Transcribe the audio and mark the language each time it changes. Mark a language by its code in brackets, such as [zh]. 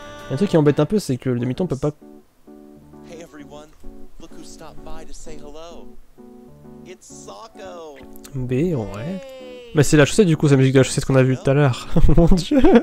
[fr] Un truc qui embête un peu, c'est que le demi-ton peut pas... [en] Hey everyone, look who stopped by to say hello. It's Sokko. [fr] B, ouais. Mais c'est la chaussette du coup, c'est la musique de la chaussette qu'on a vue tout à l'heure. Mon dieu.